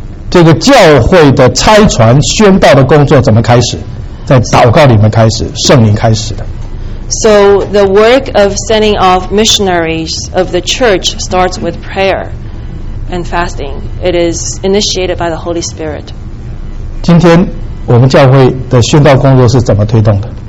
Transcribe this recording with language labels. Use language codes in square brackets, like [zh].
[zh] 这个教会的拆船宣道的工作怎么开始？在祷告里面开始，圣灵开始的。 [en] So the work of sending off missionaries of the church starts with prayer and fasting. It is initiated by the Holy Spirit. [zh] 今天。我们教会的宣道工作是怎么推动的